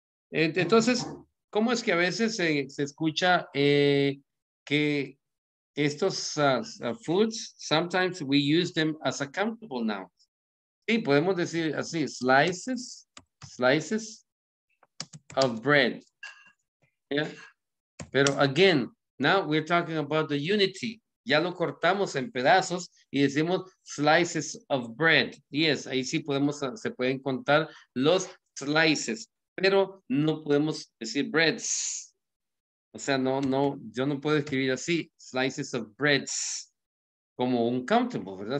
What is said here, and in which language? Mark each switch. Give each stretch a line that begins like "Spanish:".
Spanish: Entonces, ¿cómo es que a veces se escucha que estos foods,
English: sometimes we use them as a countable noun?
Spanish: Sí, podemos decir así, slices of bread. ¿Ya?
English: Pero again, now we're talking about the unity.
Spanish: Ya lo cortamos en pedazos y decimos slices of bread. Yes, ahí sí podemos, se pueden contar los slices, pero no podemos decir breads. O sea, no, no, yo no puedo escribir así, slices of breads, como un countable, ¿verdad?